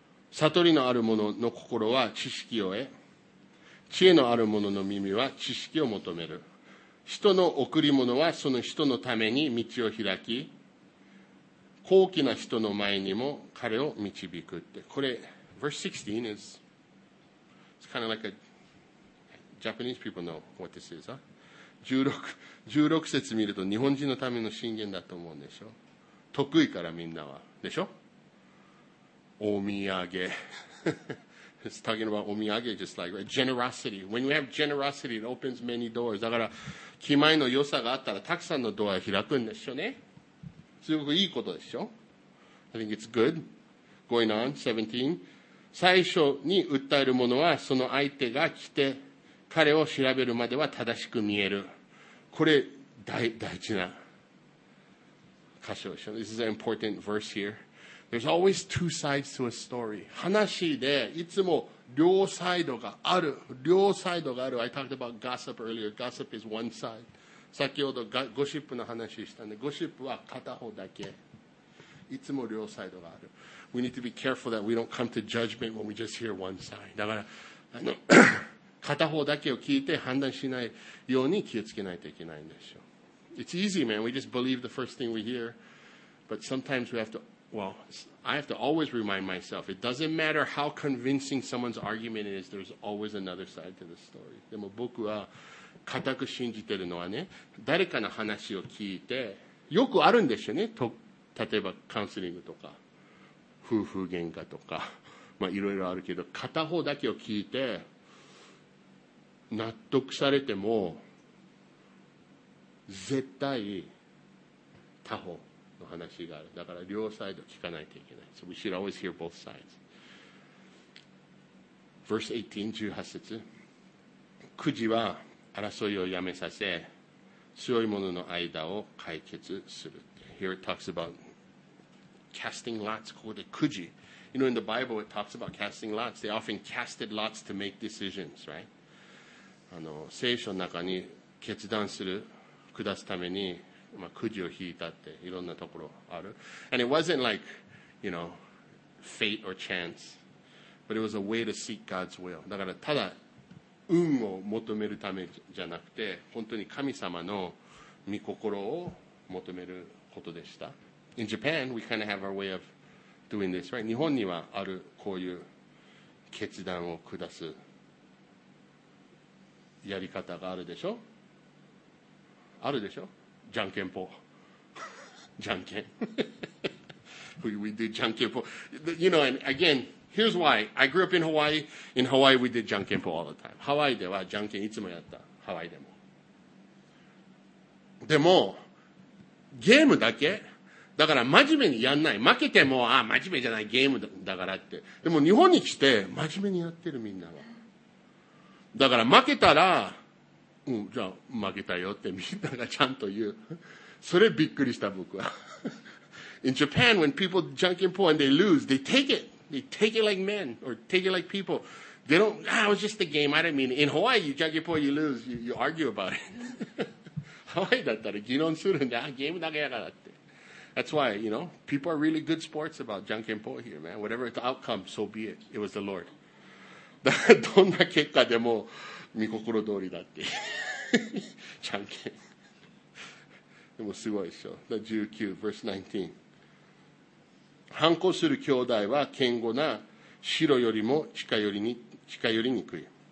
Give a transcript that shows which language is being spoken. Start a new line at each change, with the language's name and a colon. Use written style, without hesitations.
Japanese: 悟りのある者の心は知識を得、知恵のある者の耳は知識を求める。人の贈り物はその人のために道を開き、高貴な人の前にも彼を導くって。
English: これ、verse 16 is, it's kind of like a Japanese people know what this is, huh?
Japanese: 16節見ると日本人のための箴言だと思うんでしょ。得意からみんなはでしょ。
English: お土産It's talking about omiyage, just like generosity. When you have generosity, it opens many doors.
Japanese: だから気前の良さがあったらたくさんのドアを開くんでしょうね。すごくいいことでしょ。
English: I think it's good. Going on, 17.
Japanese: 最初に訴えるものはその相手が来て彼を調べるまでは正しく見える。これ大事な箇所でしょ。
English: This is an important verse here. There's always two sides to a story.
Japanese: 話でいつも両サイドがある。両サイドがある。
English: I talked about gossip earlier. Gossip is one side.
Japanese: 先ほどゴシップの話したんで、ゴシップは片方だけ。いつも両サイドがある。
English: We need to be careful that we don't come to judgment when we just hear one side.
Japanese: だから、片方だけを聞いて判断しないように気をつけないといけないんでしょう。
English: It's easy, man. We just believe the first thing we hear. But sometimes we have to... Well, I have to always remind myself, it doesn't matter how convincing someone's argument is, there's always another side to the story.
Japanese: でも僕は固く信じてるのはね、誰かの話を聞いて、よくあるんでしょうね、と例えばカウンセリングとか、夫婦喧嘩とか、まあ、いろいろあるけど、片方だけを聞いて、納得されても、絶対他方。の話がある。だから両サイド聞かないといけない。
English: So we should always hear both sides. Verse 18, 18節。
Japanese: くじは争いをやめさせ、強い者の間を解決する。
English: Here it talks about casting lots.
Japanese: ここでくじ。
English: You know, in the Bible, it talks about casting lots. They often casted lots to make decisions, right?
Japanese: 聖書の中に決断する、下すために、まあ、くじを引いたっていろんなところある。
English: And it wasn't like, you know, fate or chance, but it was a way to seek God's will.
Japanese: だからただ運を求めるためじゃなくて、本当に神様の御心を求めることでした。
English: In Japan, we kind of have our way of doing this, right?
Japanese: 日本にはあるこういう決断を下すやり方があるでしょ？あるでしょ？じゃんけんぽ。じゃんけん。
English: We did じゃんけんぽ。You know, and again, here's why. I grew up in Hawaii. In Hawaii, we did じゃんけんぽ all the time.
Japanese: ハワイではじゃんけんいつもやった。ハワイでも。でも、ゲームだけ。だから真面目にやんない。負けても、ああ、真面目じゃない。ゲームだからって。でも日本に来て、真面目にやってるみんなは。だから負けたら、うん、じゃあ負けたよってみんながちゃんと言う。それびっくりした僕は。
English: In Japan, when people junk in pool and they lose, they take it. They take it like men or take it like people. They don't, ah, it was just the game. I didn't mean it. In Hawaii, you junk in pool, you lose. You argue about it.
Japanese: Hawaii だったら議論するんだ。ゲームだけやからって。
English: That's why, you know, people are really good sports about junk in pool here, man. Whatever the outcome, so be it. It was the Lord.
Japanese: どんな結果でも、御心通りだって。じゃんけん。でもすごいでしょ。19、
English: verse 19。
Japanese: 反抗する兄弟は堅固な城よりも近寄りにくい。